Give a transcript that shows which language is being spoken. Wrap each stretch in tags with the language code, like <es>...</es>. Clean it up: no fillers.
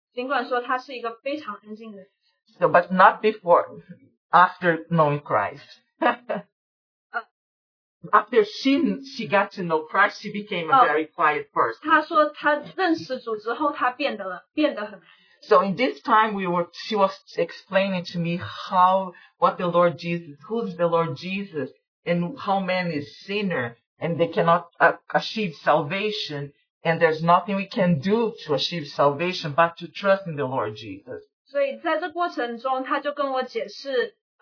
<zh>尽管说她是一个非常安静的人。So,</zh> <en>but not before, after knowing Christ. After she got to know Christ, she became a very quiet person.</en> <zh>她说她认识主之后，她变得很。So</zh> <en>in this time she was explaining to me what the Lord Jesus, who's the Lord Jesus, and how man is sinner and they cannot achieve salvation, and there's nothing we can do to achieve salvation but to trust in the Lord Jesus.</en> <zh>所以在这过程中，她就跟我解释。</zh>